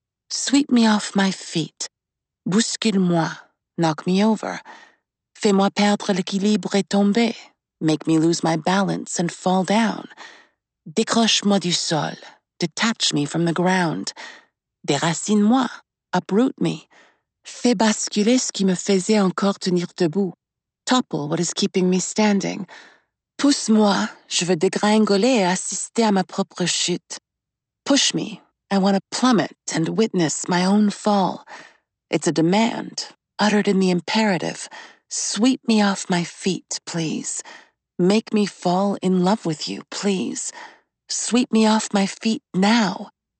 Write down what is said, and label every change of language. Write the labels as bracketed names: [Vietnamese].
[English] Sweep me off my feet, [French] bouscule-moi, [English] knock me over. [French] Fais-moi perdre l'équilibre et tomber, [English] make me lose my balance and fall down. [French] Décroche-moi du sol. [English] Detach me from the ground. [French] Déracine-moi, [English] uproot me. [French] Fais basculer ce qui me faisait encore tenir debout. [English] Topple what is keeping me standing. [French] Pousse-moi, je veux dégringoler et assister à ma propre chute. [English] Push me, I want to plummet and witness my own fall. It's a demand, uttered in the imperative. Sweep me off my feet, please. Make me fall in love with you, please. Sweep me off my feet now.